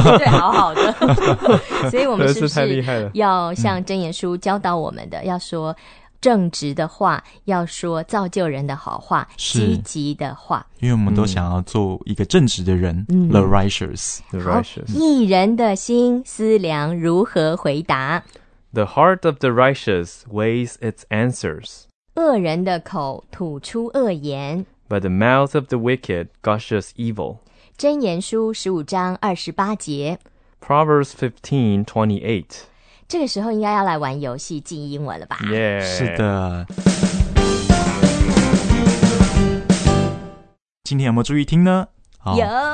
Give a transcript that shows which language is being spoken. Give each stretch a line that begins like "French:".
Chinese: 好的，所以我们是不是要像真言书教导我们的，要说正直的话，要说造就人的好话，积极的话，因为我们都想要做一个正直的人。
English: The righteous, the righteous.
Chinese: 义人的心思量如何回答？
English: The heart of the righteous weighs its answers.
Chinese: 恶人的口吐出恶言。
English: But the mouth of the wicked gushes evil.
Chinese: 真言书十五章二十八节。
English: Proverbs 15:28.
Chinese: 这个时候应该要来玩游戏记英文了吧？
English: Yeah.
Chinese: 是的。今天有没有注意听呢？好，有。